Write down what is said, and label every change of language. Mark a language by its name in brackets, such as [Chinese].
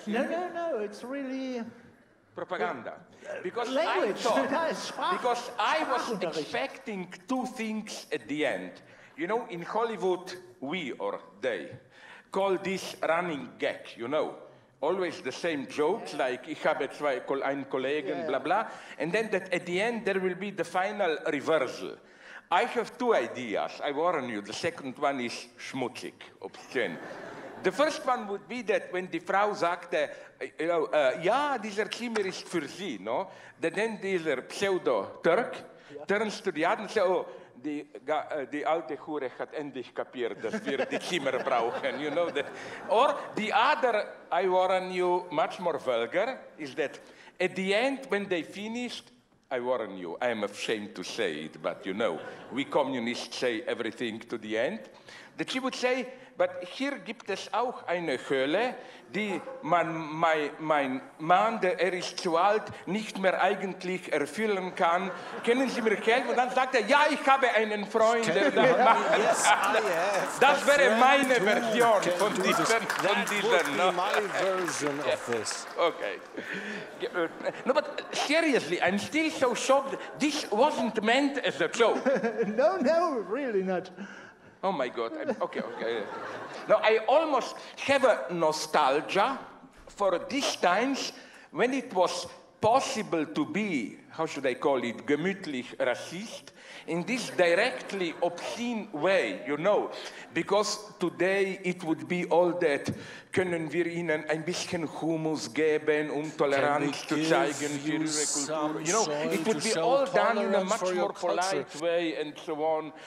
[English] No, it's really... propaganda. Because language, because I was expecting two things at the end. You know, in Hollywood, we or they call this running gag, you know. Always the same jokes, yeah. [German] Like, ich habe zwei ein Kollegen, yeah. Blah, blah. [English] And then that at the end, there will be the final reversal. I have two ideas, I warn you. The second one is schmutzig, obscene. The first one would be that when [German] die Frau sagte, [English] you know, [German] ja, dieser Zimmer ist für Sie, [English] no? That then [German] dieser Pseudo-Turk, [English] yeah, turns to the other and says, oh, [German] die alte Hure hat endlich kapiert, dass wir die Zimmer brauchen, [English] you know that. Or the other, I warn you, much more vulgar, is that at the end, when they finished, I warn you, I am ashamed to say it, but you know, we communists say everything to the end, that she would say, but here [German] gibt es auch eine Hölle, die man, mein Mann, der ist zu alt, nicht mehr eigentlich erfüllen kann. Können Sie mir helfen? Und dann sagt ja, ich habe einen Freund, der da macht. [English] Yes, [German] das [English] that's [German] wäre meine Version von diesem. [English] That would be my version of this. Okay. No, but seriously, I'm still so shocked. This wasn't meant as a joke. No, really not. Oh my God, okay. Now I almost have a nostalgia for these times when it was possible to be, how should I call it, gemütlich racist in this directly obscene way, you know, because today it would be all that, [German] können wir Ihnen ein bisschen Humus geben, Toleranz zu zeigen für Ihre Kultur, [English] you know, it would be all done in a much more polite way and so on.